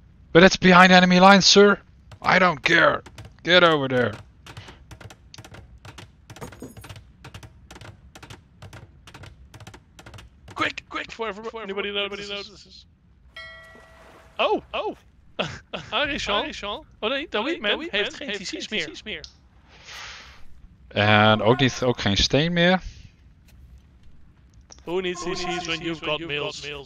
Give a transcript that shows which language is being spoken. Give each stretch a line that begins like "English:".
English: But it's behind enemy lines, sir. I don't care. Get over there. Quick, before anybody notices. Oh. Arishan.
Dutch: Oh nee, Dawidman heeft geen TC's meer. En ook niet, ook geen steen meer.
English: Who needs these sheets when you've got mills?